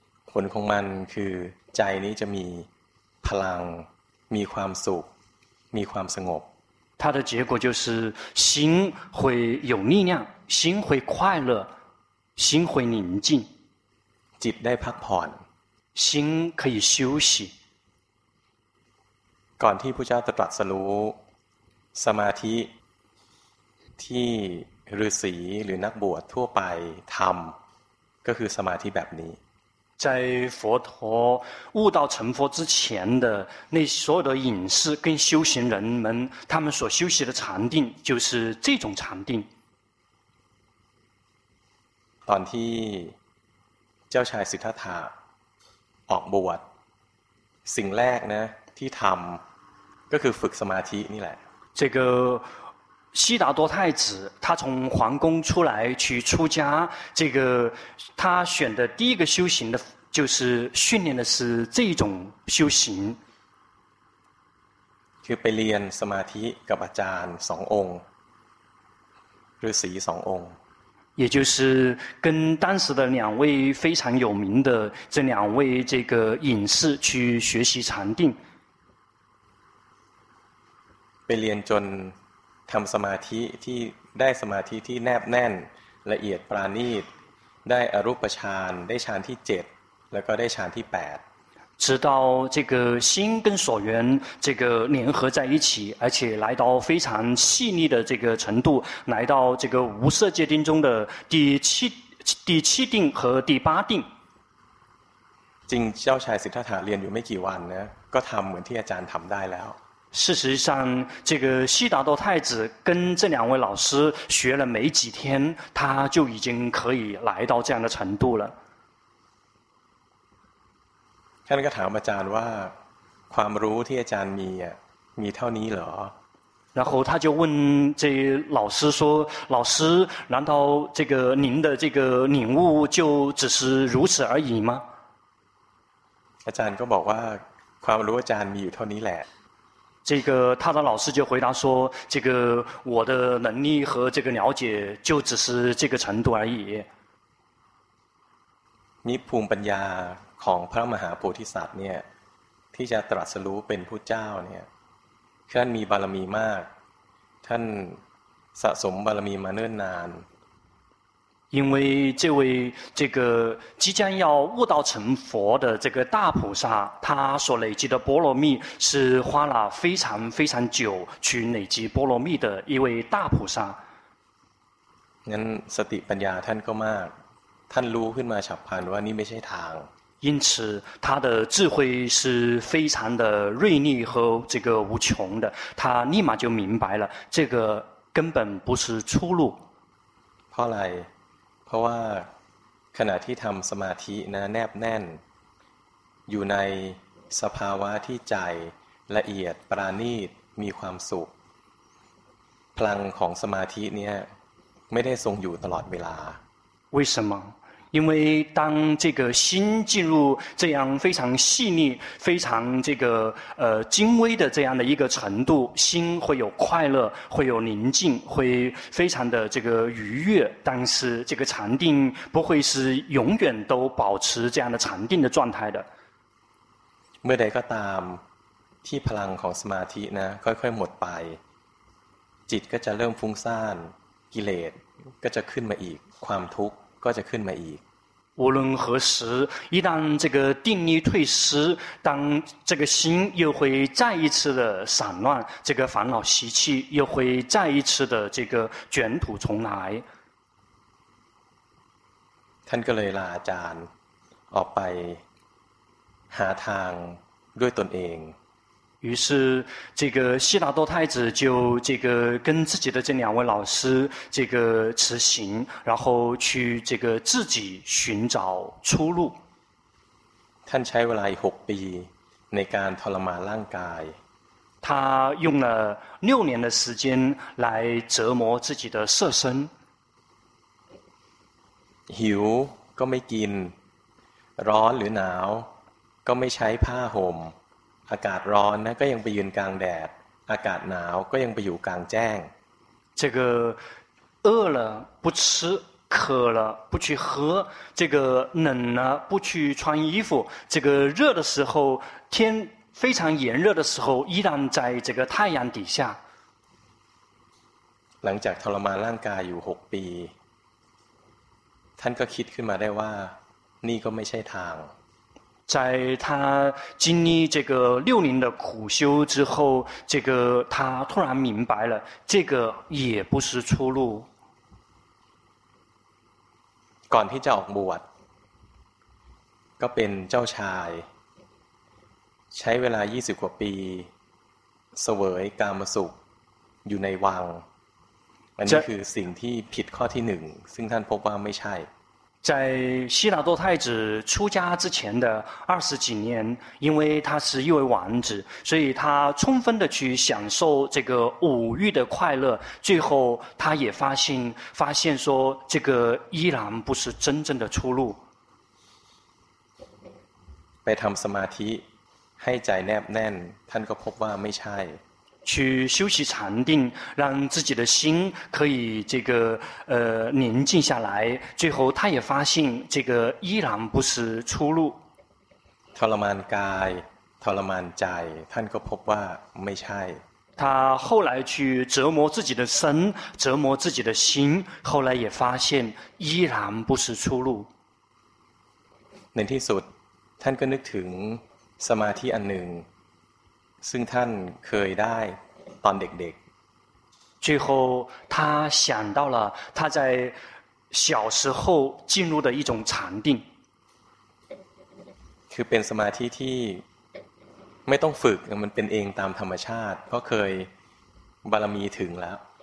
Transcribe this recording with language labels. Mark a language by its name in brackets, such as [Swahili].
[Thai] ผลของมันคือใจนี้จะมีพลังมีความสุขมีความสงบ [Chinese] 它的结果就是心会有力量心会快乐心会宁静 [Thai] จิตได้พักผ่อน [Chinese] 心可以休息 [Thai] ก่อนที่พระเจ้าจะตรัสรู้ สมาธิที่ฤาษีหรือนักบวชทั่วไปทำก็คือสมาธิแบบนี้ [Chinese] 在佛陀悟道成佛之前的那所有的隐士跟修行人们他们所修习的禅定就是这种禅定 [Thai] ตอนที่เจ้าชายสิทธัตถะออกบวชสิ่งแรกนะที่ทำก็คือฝึกสมาธินี่แหละ [Chinese] 这个悉达多太子他从皇宫出来去出家这个他选的第一个修行的就是训练的是这种修行 [Thai] คือไปเรียนสมาธิกับอาจารย์สององค์ฤาษีสององค์ [Chinese] 也就是跟当时的两位非常有名的这两位这个隐士去学习禅定 [Thai] ไปเรียนจนทำสมาธิที่ได้สมาธิที่แนบแน่นละเอียดปราณีตได้อรูปฌานได้ฌานที่7แล้วก็ได้ฌานที่8 [Chinese] 直到这个心跟所缘这个联合在一起，而且来到非常细腻的这个程度，来到这个无色界定中的第七定和第八定。 [Thai] จริงเจ้าชายสิทธัตถะเรียนอยู่ไม่กี่วันนะก็ทำเหมือนที่อาจารย์ทำได้แล้ว。 [Chinese] 事实上，这个悉达多太子跟这两位老师学了没几天，他就已经可以来到这样的程度了。 [Thai] ท่านก็ถามอาจารย์ว่าความรู้ที่อาจารย์มีมีเท่านี้เหรอ [Chinese] 然后他就问这老师说老师难道这个您的这个领悟就只是如此而已吗 [Thai] อาจารย์ก็บอกว่าความรู้อาจารย์มีอยู่เท่านี้แหละ [Chinese] 这个他的老师就回答说这个我的能力和这个了解就只是这个程度而已 [Thai] มีภูมิปัญญาของพระมหาโพธิสัตว์เนี่ยที่จะตรัสรู้เป็นพุทธเจ้าเนี่ยท่านมีบารมีมากท่านสะสมบารมีมาเนิ่นนาน [Chinese] 因为这位这个即将要悟道成佛的这个大菩萨他所累积的波罗蜜是花了非常非常久去累积波罗蜜的一位大菩萨 [Thai] งั้นสติปัญญาท่านก็มากท่านรู้ขึ้นมาฉับพลันว่านี่ไม่ใช่ทาง [Chinese] 因此他的智慧是非常的锐利和这个无穷的他立马就明白了这个根本不是出路 [Thai] เพราะอะไรเพราะว่าขณะที่ทำสมาธินะแนบแน่นอยู่ในสภาวะที่ใจละเอียดปราณีตมีความสุขพลังของสมาธินี้ไม่ได้ทรงอยู่ตลอดเวลา [Chinese] 为什么因为当这个心进入这样非常细腻非常这个精微的这样的一个程度心会有快乐会有宁静会非常的这个愉悦但是这个禅定不会是永远都保持这样的禅定的状态的 [Thai] เมื่อใดก็ตามที่พลังของสมาธินะค่อยๆหมดไปจิตก็จะเริ่มฟุ้งซ่านกิเลสก็จะขึ้นมาอีกความทุกข์ก็จะขึ้นมาอีก [Chinese] 无论何时一旦这个定力退失当这个心又会再一次的散乱这个烦恼习气又会再一次的这个卷土重来 [Thai] ท่านก็เลยลาอาจารย์ออกไปหาทางด้วยตนเอง [Chinese] 于是这个悉达多太子就这个跟自己的这两位老师这个辞行然后去这个自己寻找出路 [Thai] ท่านใช้เวลา6ปีในการทรมานร่างกาย [Chinese] 他用了6年的时间来折磨自己的色身 [Thai] หิวก็ไม่กินร้อนหรือหนาวก็ไม่ใช้ผ้าห่มอากาศร้อนนะก็ยังไปยืนกลางแดดอากาศหนาวก็ยังไปอยู่กลางแจ้ง [Chinese] 这个饿了不吃渴了不去喝这个冷了不去穿衣服这个热的时候天非常炎热的时候依然在这个太阳底下 [Thai] หลังจากทรมานร่างกายอยู่6ปีท่านก็คิดขึ้นมาได้ว่านี่ก็ไม่ใช่ทาง [Chinese] 在他经历这个六年的苦修之后，这个他突然明白了，这个也不是出路。 [Thai] ก่อนที่จะออกบวชก็เป็นเจ้าชายใช้เวลา20กว่าปีเสวยกามสุขอยู่ในวังอันนี้คือสิ่งที่ผิดข้อที่หนึ่งซึ่งท่านพบว่าไม่ใช่ [Chinese] 在悉达多太子出家之前的二十几年，因为他是一位王子，所以他充分的去享受这个五欲的快乐。最后，他也发现说，这个依然不是真正的出路。 [Thai] ไปทำสมาธิให้ใจแนบแน่นท่านก็พบว่าไม่ใช่ [Chinese] 去修习禅定，让自己的心可以这个宁静下来。最后，他也发现这个依然不是出路。 [Thai] ทรมานกาย ทรมานใจ ท่านก็พบว่าไม่ใช่。 [Chinese] 他后来去折磨自己的身，折磨自己的心，后来也发现依然不是出路。 [Thai] ในที่สุดท่านก็นึกถึงสมาธิอันหนึ่งซึ่งท่านเคยได้ตอนเด็ก [Chinese] ๆ最后他想到了他在小时候进入的一种禅定 [Thai] คือเป็นสมาธิที่ไม่ต้องฝึกมันเป็นเองตามธรรมชาติเพราะเคยบารมีถึงแล้ว